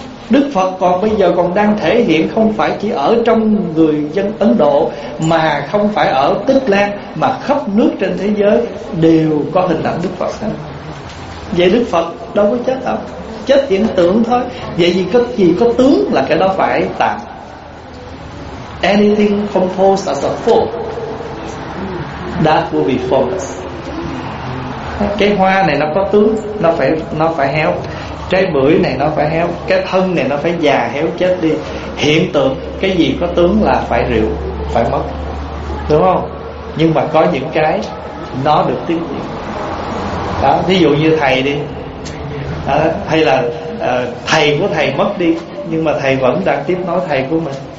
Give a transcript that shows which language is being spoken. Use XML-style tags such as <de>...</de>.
<vi>Đức Phật còn bây giờ còn đang thể hiện, không phải chỉ ở trong người dân Ấn Độ, mà không phải ở Tích Lan, mà khắp nước trên thế giới đều có hình ảnh Đức Phật hết. Vậy Đức Phật đâu có chết đâu, chết hiện tượng thôi. Vậy vì cái gì có tướng là cái đó phải tạm.</vi> <en>Anything composed as a form, that will be false.</en> <vi>Cái hoa này nó có tướng, nó phải héo. Trái bưởi này nó phải héo. Cái thân này nó phải già héo chết đi. Hiện tượng, cái gì có tướng là phải rượu, phải mất, đúng không? Nhưng mà có những cái nó được tiếp diễn. Đó, ví dụ như thầy đi đó, hay là thầy của thầy mất đi, nhưng mà thầy vẫn đang tiếp nối thầy của mình.</vi>